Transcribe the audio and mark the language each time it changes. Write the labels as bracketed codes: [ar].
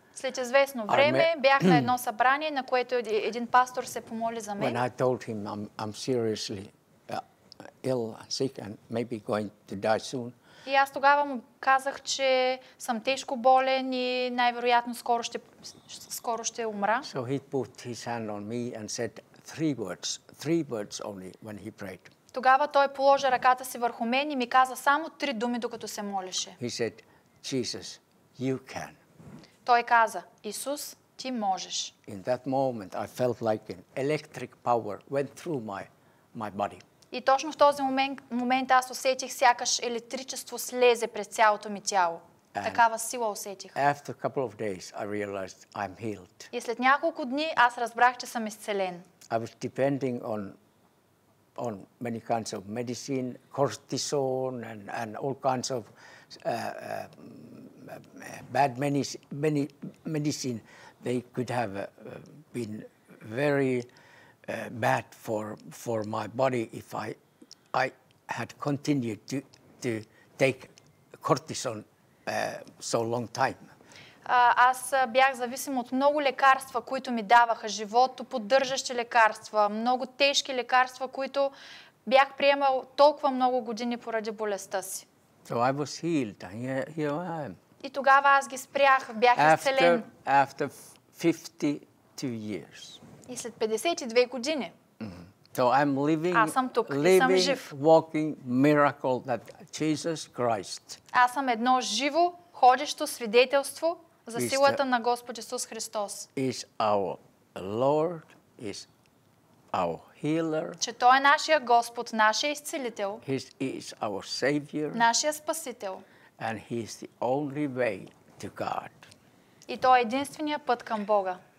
[bg] След известно време бях на едно събрание, на което един пастор се помоли за мен. [en] When I told him I'm seriously ill and sick and maybe going to die soon. [bg] И аз тогава му казах, че съм тежко болен и най-вероятно скоро ще умра. [en] So he put his hand on me and said three words only when he prayed. [bg] Тогава той положи ръката си върху мен и ми каза само три думи, докато се молеше. [en] He said, Jesus, you can. [bg] Той каза, Исус, ти можеш. [en] In that moment I felt like an electric power went through my body. [bg] И точно в този момент аз усетих сякаш електричество слезе през цялото ми тяло. And такава сила усетих. [en] After a couple of days I realized I'm healed. [bg] И след няколко дни аз разбрах, че съм изцелен. [en] I was depending on many kinds of medicine, cortisone and all kinds of bad medicine. They could have been very bad for my body if I had continued to take cortisone so long time. [bg] Аз бях зависим от много лекарства, които ми даваха живото, поддържащи лекарства, много тежки лекарства, които бях приемал толкова много години поради болестта си. [en] So I was healed. Here I am. [bg] И тогава аз ги спрях, бях изцелен. [en] After 52 years. [bg] И след 52 години. [en] So I'm living, [bg] аз съм тук, [en] living, [bg] съм жив. [en] Walking miracle that Jesus Christ. [bg] Аз съм едно живо, ходещо свидетелство за силата на Господ Исус Христос. [en] Is our Lord, is our healer. [bg] Че Той е нашия Господ, нашия изцелител. [en] He is our Savior. [bg] Нашия спасител. [en] And He is the only way to God. [bg] И Той е единствения път към Бога.